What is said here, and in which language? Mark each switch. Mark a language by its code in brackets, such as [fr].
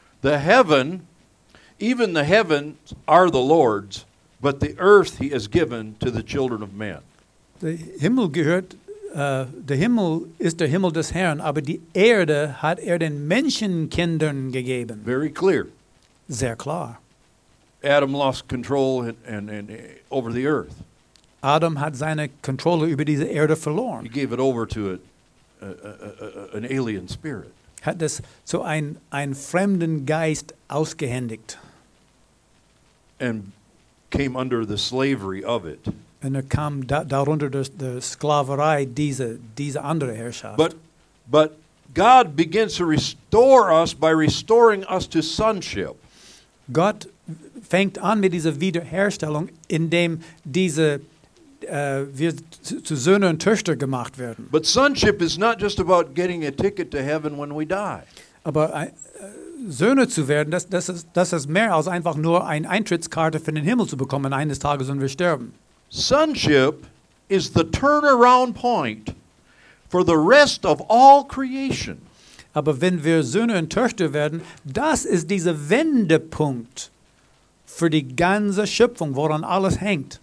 [en] The heaven, even the heavens are the Lord's, but the earth he has given to the children of men. [de] Der Himmel gehört, der Himmel ist der Himmel des Herrn, aber die Erde hat den Menschenkindern gegeben. [en] Very clear. [de] Sehr klar. [en] Adam lost control and over the earth. [de] Adam hat seine Kontrolle über diese Erde verloren. [en] He gave it over to an alien spirit. [de] Hat das so ein fremden Geist ausgehändigt. [en] And came under the slavery of it. [de] Und kam darunter der Sklaverei diese andere Herrschaft. [en] But God begins to restore us by restoring us to sonship. [de] Gott fängt an mit dieser Wiederherstellung, indem diese wir zu Söhne und Töchter gemacht werden. [en] But sonship is not just about getting a ticket to heaven when we die. [de] Aber Söhne zu werden, das ist mehr als einfach nur eine Eintrittskarte für den Himmel zu bekommen eines Tages, wenn wir sterben. [en] Sonship is the turnaround point for the rest of all creation. [de] Aber wenn wir Söhne und Töchter werden, das ist dieser Wendepunkt für die ganze Schöpfung, woran alles hängt.